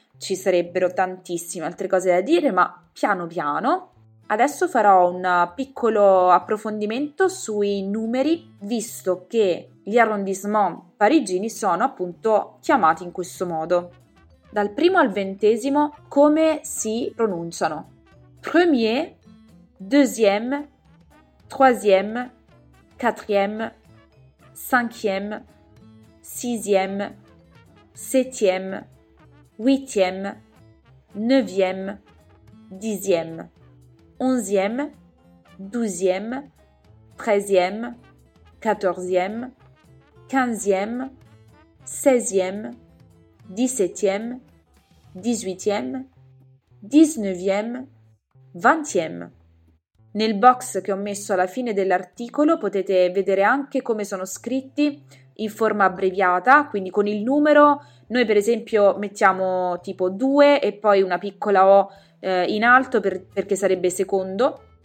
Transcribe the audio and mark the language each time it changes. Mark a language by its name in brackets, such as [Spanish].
[Italian] Ci sarebbero tantissime altre cose da dire, ma piano piano. Adesso farò un piccolo approfondimento sui numeri, visto che gli arrondissements parigini sono appunto chiamati in questo modo. Dal primo al ventesimo, come si pronunciano? [French] Premier, deuxième, troisième, quatrième, cinquième, sixième, septième, huitième, neuvième, dixième, onzième, douzième, treizième, quatorzième, quinzième, seizième, dix-septième, dix-huitième, dix-neuvième, vingtième. [Italian] Nel box che ho messo alla fine dell'articolo potete vedere anche come sono scritti in forma abbreviata, quindi con il numero. Noi per esempio mettiamo tipo 2 e poi una piccola O in alto perché sarebbe secondo.